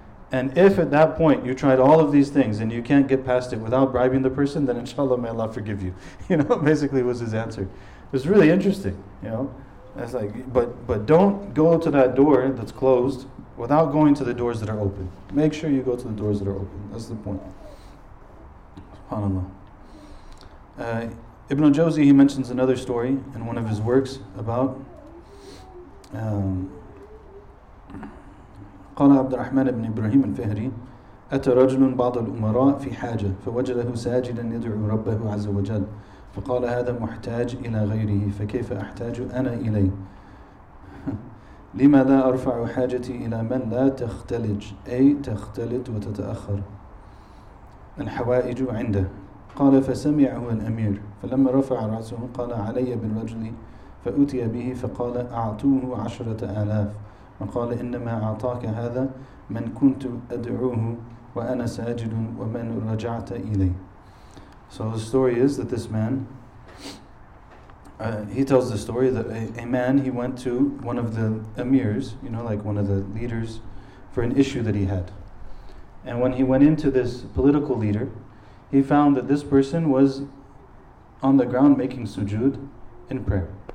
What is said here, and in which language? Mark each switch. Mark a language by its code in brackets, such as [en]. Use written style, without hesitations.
[en] And if at that point you tried all of these things and you can't get past it without bribing the person, then inshallah may Allah forgive you. You know, basically was his answer. It was really interesting, you know. It's like, but don't go to that door that's closed without going to the doors that are open. Make sure you go to the doors that are open. That's the point. SubhanAllah. Ibn al-Jawzi, he mentions another story in one of his works about [ar] قال عبد الرحمن بن إبراهيم الفهري أتى رجل بعض الأمراء في حاجة فوجده ساجدا يدعو ربه عز وجل فقال هذا محتاج إلى غيره فكيف أحتاج أنا إليه لما لا أرفع حاجتي إلى من لا تختلج أي تختلط وتتأخر الحوائج عنده قال فسمعه الأمير فلما رفع رأسه قال علي بالرجل فأتي به فقال أعطوه 10,000 وقال إنما أعطاك هذا من كنت أدعوه وأنا ساجد ومن رجعت إليه. [en] So the story is that this man, he tells the story that a man, he went to one of the emirs, you know, like one of the leaders, for an issue that he had. And when he went into this political leader, he found that this person was on the ground making sujood in prayer.